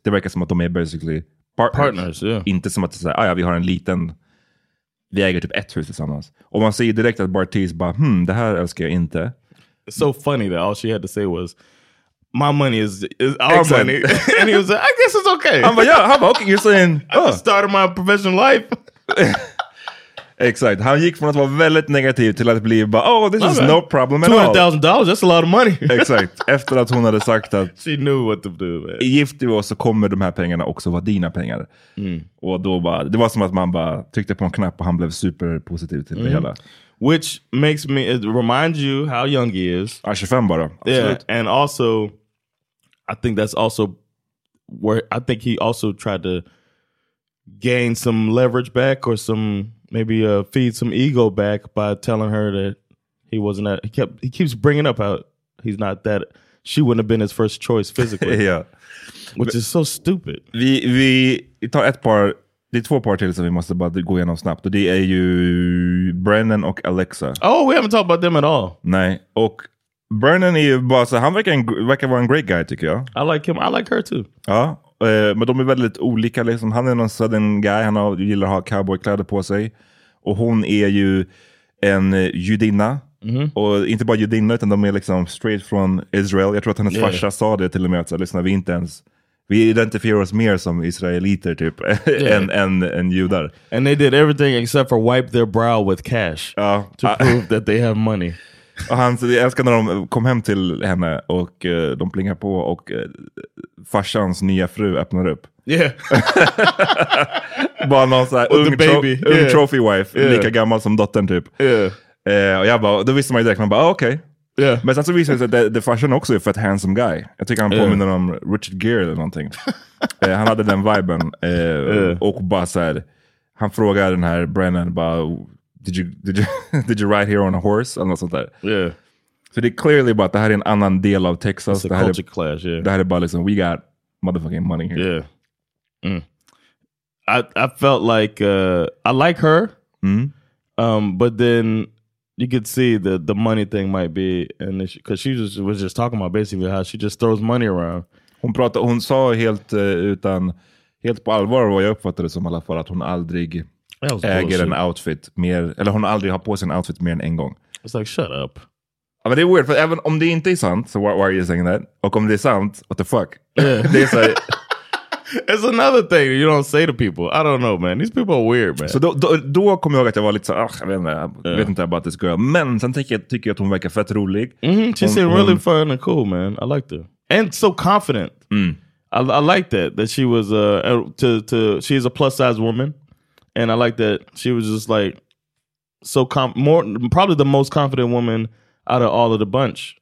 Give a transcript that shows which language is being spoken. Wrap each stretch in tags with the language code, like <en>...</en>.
<sv>Det verkar som att de är basically partners</sv> <en>yeah.</en> <sv>Inte som att säga, ah, ja, vi har en liten, vi äger typ ett hus tillsammans. Och man ser direkt att Bartiz bara, det här älskar jag inte.</sv> <en>It's so funny that all she had to say was my money is our exactly. money. And he was like, I guess it's okay. I'm like, yeah, how about okay? You're saying, oh. I just started my professional life. Exactly.</en> <sv>Han gick från att vara väldigt negativ till att bli bara,</sv> <en>oh, this is no problem at $200,000, that's a lot of money. Exactly.</en> <sv>Efter att hon hade sagt att</sv> <en>she knew what to do, man.</en> <sv>Gift du oss så kommer de här pengarna också vara dina pengar. Mm. Och då bara, det var som att man bara tryckte på en knapp och han blev superpositiv till det hela.</sv> <en>Which makes me, it reminds you how young he is.</en> <sv>25 bara. Absolut.</sv> <en>Yeah, and also, I think that's also where, I think he also tried to gain some leverage back or some, maybe feed some ego back by telling her that he wasn't that, he keeps bringing up how he's not that, she wouldn't have been his first choice physically. Yeah. Which is so stupid.</en> <sv>Vi tar ett par. Det är två par till som vi måste bara gå igenom snabbt. Och det är ju Brennan och Alexa.</sv> <en>Oh, we haven't talked about them at all.</en> <sv>Nej, och Brennan är ju bara så, han verkar vara en great guy tycker jag.</sv> <en>I like him, I like her too.</en> <sv>Ja, men de är väldigt olika liksom. Han är någon southern guy, han gillar att ha cowboykläder på sig. Och hon är ju en judinna. Mm-hmm. Och inte bara judinna utan de är liksom</sv> <en>straight from Israel.</en> <sv>Jag tror att hennes farsa sa det till och med. Så lyssna, vi inte ens... Vi identifierar oss mer som israeliter typ än judar.</sv> <en>And they did everything except for wipe their brow with cash to prove that they have money.</en> <sv>Och han, jag älskar när de kom hem till henne och de plingar på och farsans nya fru öppnar upp.</sv> <en>Yeah.</en> <sv>Bara någon såhär ung trophy wife, lika gammal som dottern typ.</sv> <en>Yeah.</en> <sv>Och jag bara, då visste man ju direkt, man bara, okej.</sv> <en>Yeah.</en> <sv>Men sen så visar det sig att the fashion också är för ett handsome guy. Jag tycker han påminner om Richard Gere eller någonting. Han hade den viben. Och bara såhär, han frågade den här Brennan bara,</sv> <en>did you ride here on a horse?</en> <sv>Eller något sånt där.</sv> <en>Yeah.</en> <sv>Så det är clearly bara att det här är en annan del av Texas.</sv> <en>It's a culture clash, yeah.</en> <sv>Det här är bara liksom,</sv> <en>we got motherfucking money here. Yeah. Mm. I felt like, I like her. Mm. But then... You could see the money thing might be an issue because she was just talking about basically how she just throws money around.</en> <sv>Hon pratade, hon sa helt utan helt på allvar vad jag uppfattade det som, i alla fall att hon aldrig äger en outfit mer, eller hon aldrig har på sig en outfit mer än en gång.</sv> <en>It's like shut up.</en> <sv>Men det är weird, för även om det inte är sant, så</sv> <en>why are you saying that?</en> <sv>Och om det är sant,</sv> <en>what the fuck? Yeah.</en> <sv>Det är så...</sv> <en>It's another thing you don't say to people. I don't know, man. These people are weird, man.</en> <sv>Så då kom jag ihåg att jag var lite så, jag vet inte</sv> <en>about this girl.</en> <sv>Men sen tycker jag att hon verkar fett rolig. Mm-hmm.</sv> <en>She's really fun and cool, man. I liked her. And so confident. Mm. I liked that she was she's a plus size woman. And I liked that she was just like so probably the most confident woman out of all of the bunch.</en>